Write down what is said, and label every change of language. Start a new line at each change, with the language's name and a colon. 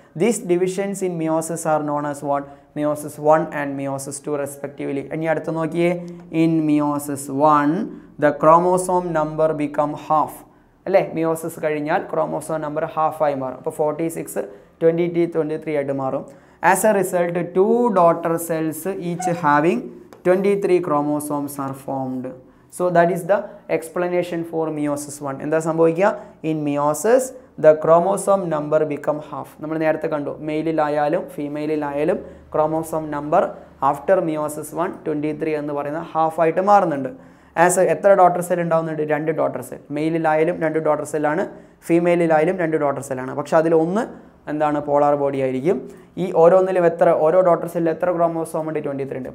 English: These divisions in meiosis are known as what? Meiosis 1 and meiosis 2 respectively.
Malayalam: ഇനി അടുത്ത് നോക്കിയേ,
English: in meiosis 1 the chromosome number become half
Malayalam: അല്ലേ, meiosis കഴിഞ്ഞാൽ chromosome number ഹാഫായി മാറും. അപ്പോൾ 46 23 ആയിട്ട് മാറും.
English: As a result, two daughter cells each having 23 chromosomes are formed. So that is the explanation for meiosis 1.
Malayalam: എന്താ സംഭവിക്കുക?
English: In meiosis, the chromosome number become half.
Malayalam: നമ്മൾ നേരത്തെ കണ്ടു, മെയിലിലായാലും ഫീമെയിലിലായാലും ക്രോമോസോം നമ്പർ ആഫ്റ്റർ മിയോസിസ് 1 23 എന്ന് പറയുന്ന ഹാഫ് ആയിട്ട് മാറുന്നുണ്ട്. ആസ് എത്ര ഡോട്ടർ സെൽ ഉണ്ടാവുന്നുണ്ട്? രണ്ട് ഡോട്ടർ സെൽ. മെയിലിലായാലും രണ്ട് ഡോട്ടർ സെല്ലാണ്, ഫീമെയിലായാലും രണ്ട് ഡോട്ടർ സെല്ലാണ്. പക്ഷേ അതിൽ ഒന്ന് എന്താണ്? പോളാർ ബോഡി ആയിരിക്കും. ഈ ഓരോന്നിലും എത്ര, ഓരോ ഡോട്ടർ സെല്ലിൽ എത്ര ക്രോമോസോം ഉണ്ട്? 23 ഉണ്ട്.